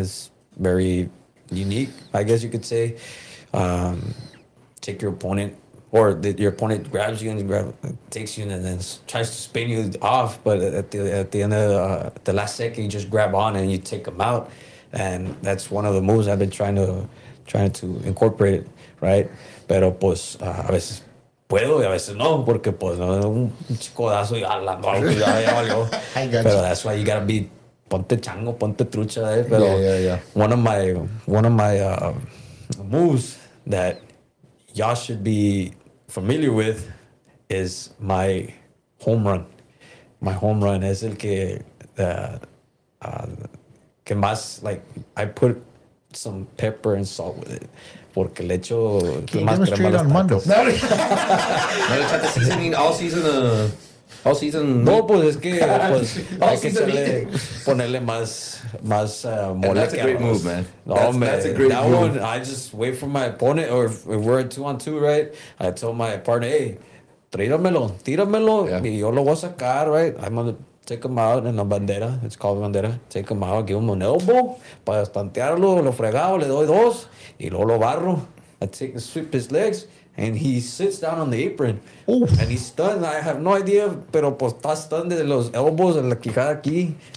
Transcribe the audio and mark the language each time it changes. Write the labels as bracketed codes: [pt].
[en] It's very unique, I guess you could say. Take your opponent, or your opponent grabs you and takes you and then tries to spin you off, but at the end of the last second, you just grab on and you take them out. And that's one of the moves I've been trying to incorporate, right? [es] Pero pues, a veces puedo y a veces no, porque pues no, un chicodazo y hablando algo ya, ya valió. [en] Pero that's why you gotta be, [es] ponte chango, ponte trucha, [en] eh. Pero one of my moves that y'all should be familiar with is my home run. My home run [es] es el que que más, [en] like, I put some pepper and salt with it. [es] Porque le echo más crema a los tacos. No, no le echaste seasoning [en] all season. All season. [es] No, pues es que pues, hay que echarle, ponerle más [en] mole. That's a great move, man. No, that's, man. That's a great that move. That one, I just wait for my opponent, or if we're at 2-on-2, right? I tell my partner, hey, [es] tíramelo, [en] yeah. [es] Y yo lo voy a sacar, [en] right? I'm going to take him out in [es] la bandera. [en] It's called bandera. Take him out, give him an elbow, [es] para estantearlo, lo fregado, le doy dos, y luego lo barro. [en] I take and sweep his legs, and he sits down on the apron. Oof. And he's stunned. I have no idea, [es] pero pues está stunned de los elbows, de la quijada aquí.